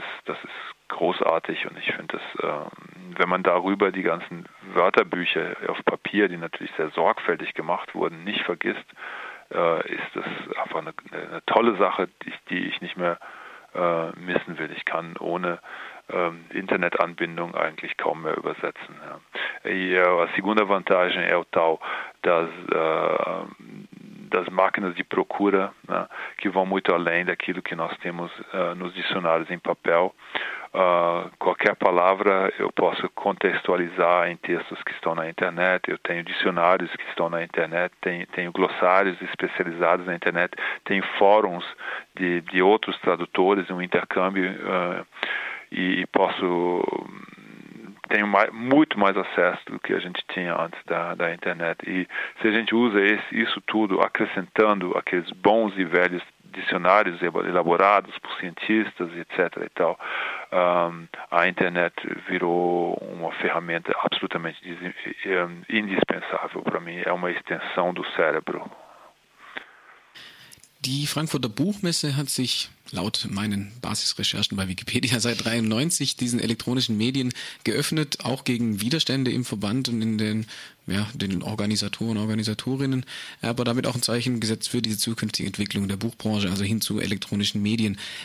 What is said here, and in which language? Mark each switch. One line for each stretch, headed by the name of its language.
German: Das ist großartig und ich finde das, wenn man darüber die ganzen Wörterbücher auf Papier, die natürlich sehr sorgfältig gemacht wurden, nicht vergisst, ist das einfach eine tolle Sache, die ich nicht mehr missen will. Ich kann ohne Internetanbindung eigentlich kaum mehr übersetzen. Ja.
Portuguese: A segunda vantagem é o tal das máquinas de procura, né, que vão muito além daquilo que nós temos nos dicionários em papel. Qualquer palavra eu posso contextualizar em textos que estão na internet, eu tenho dicionários que estão na internet, tenho glossários especializados na internet, tenho fóruns de outros tradutores, um intercâmbio, e posso... tenho muito mais acesso do que a gente tinha antes da internet. E se a gente usa isso tudo acrescentando aqueles bons e velhos dicionários elaborados por cientistas, etc. e tal, a internet virou uma ferramenta absolutamente indispensável para mim. É uma extensão do cérebro.
German: Die Frankfurter Buchmesse hat sich laut meinen Basisrecherchen bei Wikipedia seit 93 diesen elektronischen Medien geöffnet, auch gegen Widerstände im Verband und in den Organisatoren und Organisatorinnen, aber damit auch ein Zeichen gesetzt für diese zukünftige Entwicklung der Buchbranche, also hin zu elektronischen Medien.